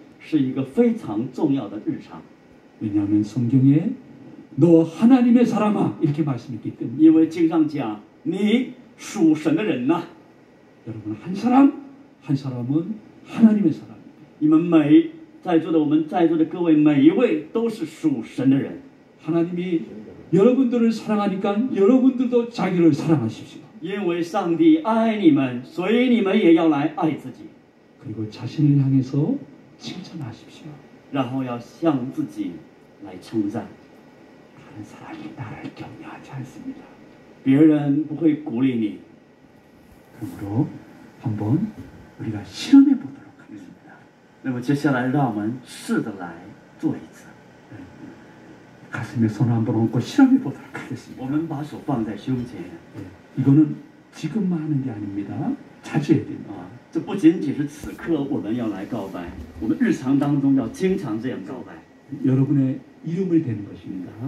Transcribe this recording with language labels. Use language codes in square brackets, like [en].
[zh] 能够这样称赞自己是一个非常重要的日常。 [ko] 왜냐하면 성경에 너 하나님의 사람아 이렇게 말씀했기 때문에. [zh] 因为经上讲你。属神的人呐， [ko] 여러분 한 사람 한 사람은 하나님의 사람. [zh] 你们每在座的我们在座的各位每一位都是属神的人。 [ko] 하나님이 여러분들을 사랑하니까 여러분들도 자기를 사랑하십시오. [zh] 因为上帝爱你们，所以你们也要来爱自己。 [ko] 그리고 자신을 향해서 칭찬하십시오. [zh] 然后要向自己来称赞。 [ko] 다른 사람이 나를 격려하지 않습니다. [zh] 别人不会鼓励你。 [ko] 그러므로 한번 우리가 실험해 보도록 하겠습니다. [zh] 那么接下来让我们试着来做一次。 [ko] 가슴에 손을 한번 얹고 실험해 보도록 하겠습니다. [zh] 我们把手放在胸前。 [ko] 네, 이거는 지금만 하는 게 아닙니다. 자주 해야 됩니다. [zh] 这不仅仅是此刻我们要来告白，我们日常当中要经常这样告白。 [ko] 여러분의 이름을 대는 것입니다.